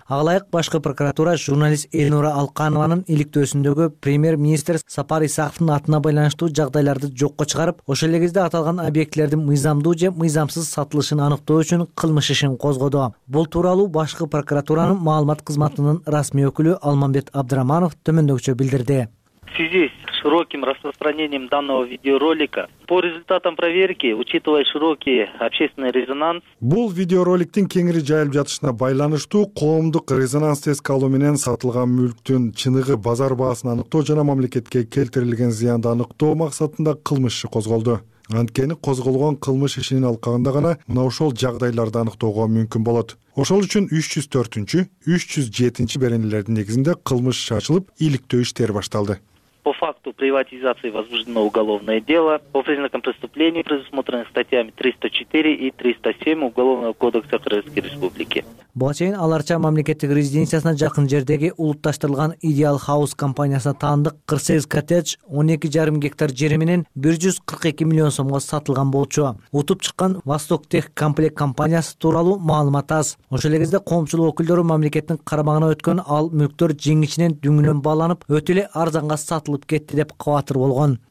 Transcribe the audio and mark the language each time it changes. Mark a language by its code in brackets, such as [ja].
[ky] Ага ылайык башкы прокуратура журналист Элнура Алканованын иликтөөсүндөгү премьер-министр Сапар Исаковдун атына байланыштуу жагдайларды жокко чыгарып, ошол эле кезде аталган объектилердин мыйзамдуу же мыйзамсыз сатылышын аныктоо үчүн кылмыш ишин козгоду. Бул тууралуу башкы прокуратуранын маалымат кызматынын расмий өкүлү Алмамбет Абдраманов төмөндөгүчө билдирди. [ru] В связи с широким распространением данного видеоролика по результатам проверки, учитывая широкий общественный резонанс, [ky] бул видеороликтин кеңири жайылып жатышына байланыштуу коомдук резонанс эске алуу менен сатылган мүлктүн чыныгы базар баасын аныктоо жана мамлекетке келтирилген зыянды аныктоо максатында кылмыш иши козголду. Анткени козголгон кылмыш ишинин алкагында гана мына ошол жагдайларды аныктоого мүмкүн болот. Ошол үчүн 304-чү, 307-чү беренелердин негизинде кылмыш иши ачылып, иликтөө иштери башталды. [ru] По факту приватизации возбуждено уголовное дело. По признакам преступлений, предусмотренных статьями 304 и 307 Уголовного кодекса Кыргызской Республики. [ky] Буга чейин аларча мамлекеттик резиденциясына жакын жердеги улутташтырылган Ideal House компаниясына таандык 48 коттедж 12,5 гектар жери менен 142 миллион сомго сатылган болчу. Утуп чыккан Восток Тех комплект компаниясы тууралуу маалымат аз. Ошол эле кезде коомчулук өкүлдөрү мамлекеттин карамагына өткөн ал мүлктөр жеңичинен дүңгүнөн бааланып, өтө эле арзанга сатылып кетти деп кабатыр болгон.